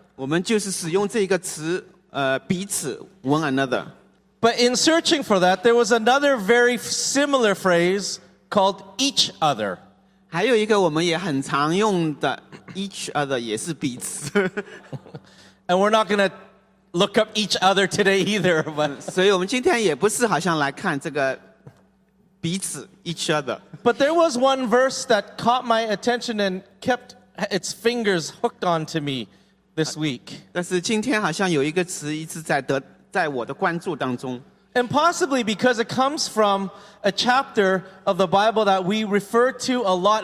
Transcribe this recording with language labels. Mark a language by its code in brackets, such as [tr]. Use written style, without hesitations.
[zh] 我们就是使用这个词，彼此 one another. [en] But in searching for that, there was another very similar phrase called each other. [zh] 还有一个我们也很常用的 each other，也是彼此。 [en] And we're not going to look up each other today either. But [zh] 所以我们今天也不是好像来看这个。彼此, each other. [en] But there was one verse that caught my attention and kept its fingers hooked onto me this week. [zh] 但是今天好像有一个词一直在我的关注当中。 [en] And possibly because it comes from a chapter of the Bible that we refer to a lot.